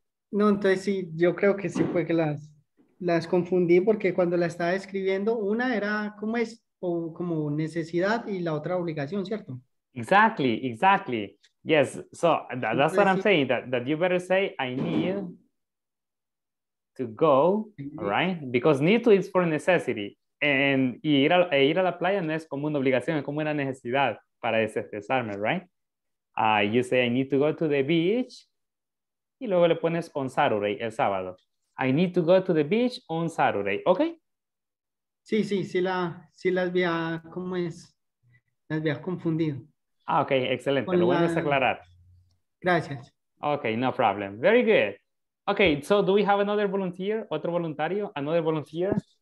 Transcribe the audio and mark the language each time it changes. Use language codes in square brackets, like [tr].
[es] No, entonces sí, yo creo que sí fue que las confundí porque cuando la estaba escribiendo, una era como es, o como necesidad y la otra obligación, ¿cierto? [en] Exactly, exactly. Yes, so that's what I'm saying, that you better say, I need to go, right? Because need to is for necessity. [es] And ir a la playa no es como una obligación, es como una necesidad para desestresarme, right? [en] You say, I need to go to the beach. [es] Y luego le pones [en] on Saturday, [es] el sábado. [en] I need to go to the beach on Saturday, okay? [es] Sí, sí, sí, las había confundido. Ah, okay, excelente. Lo vuelves a aclarar. Gracias. [en] Okay, no problem. Very good. Okay, so do we have another volunteer? [es] Otro voluntario? [en] Another volunteer?